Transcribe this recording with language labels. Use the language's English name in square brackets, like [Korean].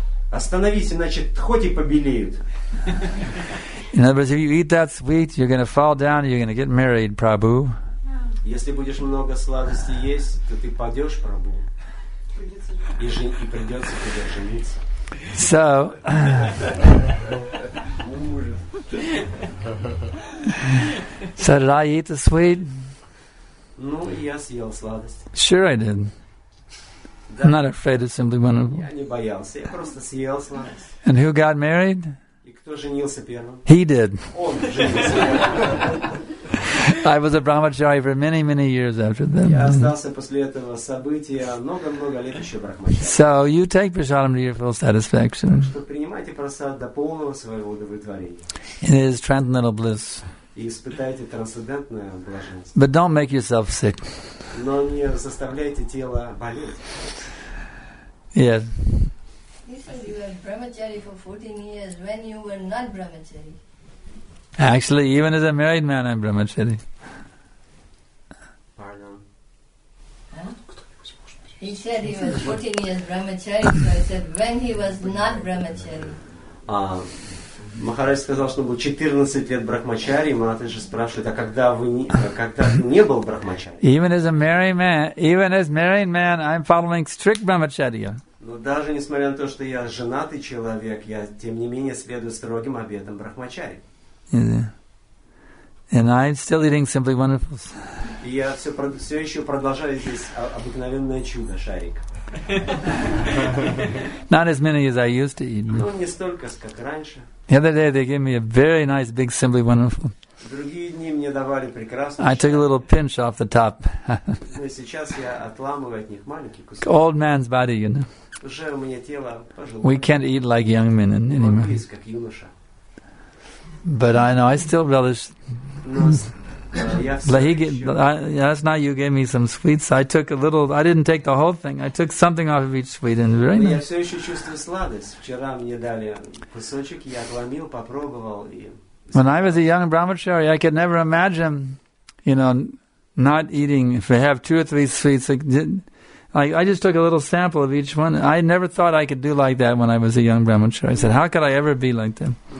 [Russian] Остановись, иначе тхоти побелеют. [English] In other words, if you eat that sweet, you're going to fall down. You're going to get married, Prabhu. [Russian] Если будешь много сладости есть, то ты падешь, Прабу. И придется тебе жениться. [English] So. So did I eat the sweet? [Russian] Ну, я съел сладость. [English] Sure I did. [Russian] Да. [English] I'm not afraid of simply wonderful. [Russian] Я не боялся, я просто съел сладость. [English] And who got married? [Russian] И кто женился первым? [English] He did. [Russian] Он женился первым. [English] I was a brahmachari for many, many years after that. [Russian] Я остался после этого события много-много лет еще брахмачари. [English] So you take prasadam to your full satisfaction. [Russian] Так что принимайте прасад до полного своего удовлетворения. [English] It is transcendental bliss. [Russian] И испытайте трансцендентное блаженство. [English] But don't make yourself sick. [Russian] Но не заставляйте тело болеть. [English] Yes. You were brahmachari for 14 years when you were not brahmachari. Actually, even as a married man, I'm brahmachari. Pardon? Huh? He said he was 14 years brahmachari, so I said when he was not brahmachari. [Russian] Махарадж сказал, что он был 14 лет брахмачари, и Матаджи спрашивает, а когда вы не, когда не был брахмачари? [English] Even as a married man, I'm following strict brahmacharya. [Russian] Но даже несмотря на то, что я женатый человек, я тем не менее следую строгим обетам брахмачари. [English] And I'm still eating simply wonderful. [Russian] И я все еще продолжаю здесь обыкновенное чудо, шарик. [English] Not as many as I used to eat. [Russian] Ну, не столько, как раньше. [English] The other day they gave me a very nice big Simply Wonderful. [Russian] Другие дни мне давали прекрасные. [English] I took a little pinch off the top. [Russian] Ну, сейчас я отламываю от них маленький кусок. [English] Old man's body, you know. [Russian] Уже у меня тело пожилое. [English] We can't eat like young men anymore. [Russian] Молодец, как юноша. [English] But I know, I still relish. [Russian] Но [English] last night you gave me some sweets. I took a little. I didn't take the whole thing. I took something off of each sweet. And very nice. [Russian] Я все еще чувствую сладость. Вчера мне дали кусочек, я отломил, попробовал. [English] When I was a young brahmachari, I could never imagine, you know, not eating. If I have two or three sweets, I just took a little sample of each one. I never thought I could do like that when I was a young brahmachari. I said, how could I ever be like that?